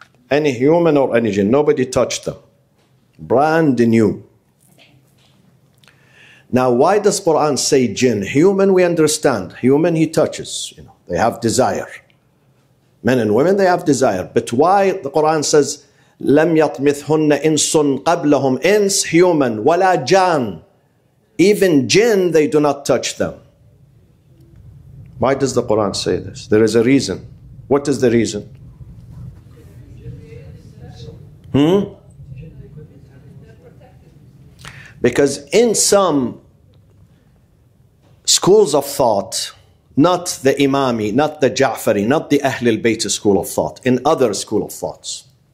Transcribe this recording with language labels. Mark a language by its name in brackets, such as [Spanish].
[English] Any human or any jinn. Nobody touched them. Brand new. Now, why does Quran say jinn? Human, we understand. Human, he touches. You know, they have desire. Men and women, they have desire. But why the Quran says, [Arabic] لَمْ يَطْمِثْهُنَّ إِنْسٌ قَبْلَهُمْ إِنْسْ human, وَلَا جَانْ. [English] Even jinn, they do not touch them. Why does the Quran say this? There is a reason. What is the reason? Because in some schools of thought, not the Imami, not the Ja'fari, not the Ahlul Bayt school of thought, in other school of thoughts,